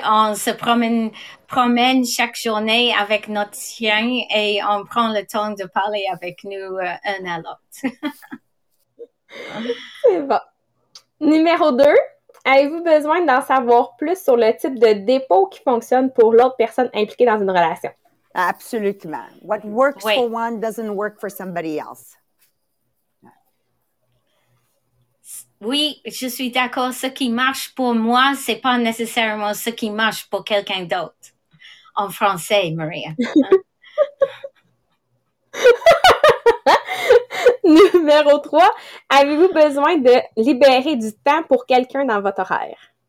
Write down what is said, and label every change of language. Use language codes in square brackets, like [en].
[fr] On se promène chaque journée avec notre chien et on prend le temps de parler avec nous un à l'autre. C'est bon. Numéro 2. Avez-vous besoin d'en savoir plus sur le type de dépôt qui fonctionne pour l'autre personne impliquée dans une relation? Absolument. [en] What works for one doesn't work for somebody else. [fr] Oui, je suis d'accord. Ce qui marche pour moi, c'est pas nécessairement ce qui marche pour quelqu'un d'autre. En français, Maria. Numéro 3, avez-vous besoin de libérer du temps pour quelqu'un dans votre horaire?